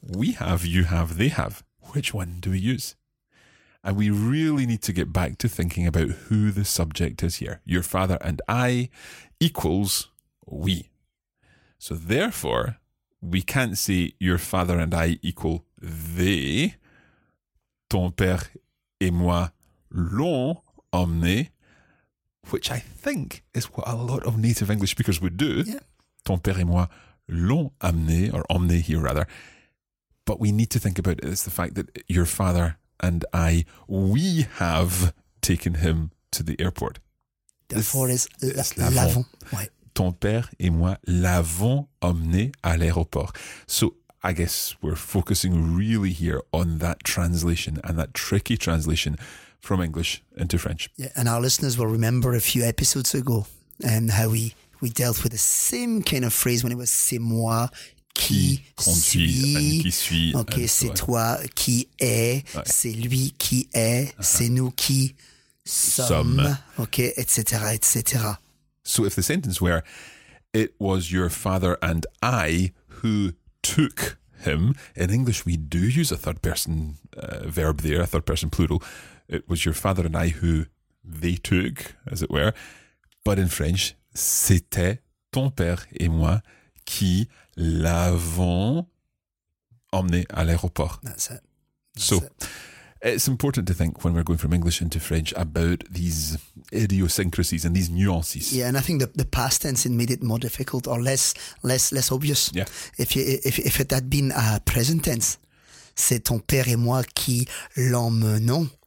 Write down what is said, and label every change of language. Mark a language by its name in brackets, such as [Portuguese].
[English] We have, you have, they have. Which one do we use? And we really need to get back to thinking about who the subject is here. Your father and I equals we. So therefore, we can't say your father and I equal they. [French] Ton père et moi l'ont emmené. [English] Which I think is what a lot of native English speakers would do. Yeah. [French] Ton père et moi l'ont emmené, or emmené here rather. [English] But we need to think about it as the fact that your father and I, we have taken him to the airport. Therefore, it's l'avons. Ouais. [French] Ton père et moi l'avons emmené à l'aéroport. [English] So I guess we're focusing really here on that translation and that tricky translation from English into French. Yeah, and our listeners will remember a few episodes ago and how we dealt with the same kind of phrase when it was [French] c'est moi. Qui conduit, qui suit. Ok, c'est toi qui est, c'est lui qui est, c'est nous qui sommes, ok, etc., etc. [English] So if the sentence were, it was your father and I who took him, in English we do use a third person verb there, a third person plural. It was your father and I who they took, as it were. But in French, [French] c'était ton père et moi qui l'avons emmené à l'aéroport. [English] That's it. It's important to think when we're going from English into French about these idiosyncrasies and these nuances. Yeah, and I think the past tense made it more difficult or less obvious. Yeah. If it had been a present tense, [French] c'est ton père et moi qui l'emmenons.